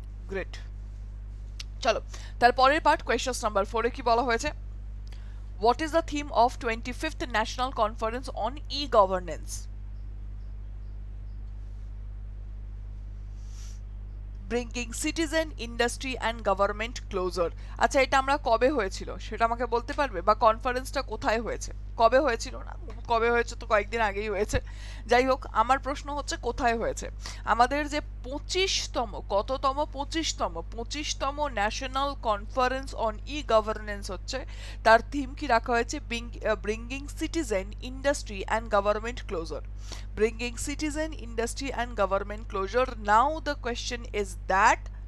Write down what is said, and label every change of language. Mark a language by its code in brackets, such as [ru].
[en] great, [bn] চলো তার পরের পার্ট কোয়েশ্চন নাম্বার ফোরে কি বলা হয়েছে, [en] What is the theme of 25th national conference on e governance? bringing citizen, industry and government closer. [bn] আচ্ছা এটা আমরা কবে হয়েছিল সেটা আমাকে বলতে পারবে বা কনফারেন্সটা কোথায় হয়েছে কবে হয়েছিল না কবে হয়েছে তো কয়েকদিন আগেই হয়েছে যাই হোক আমার প্রশ্ন হচ্ছে কোথায় হয়েছে আমাদের যে 25তম কততম 25তম 25তম national conference on E governance হচ্ছে তার থিম কি রাখা হয়েছে [en] bringing citizen industry and government closer bringing citizen industry and government closure now the question is that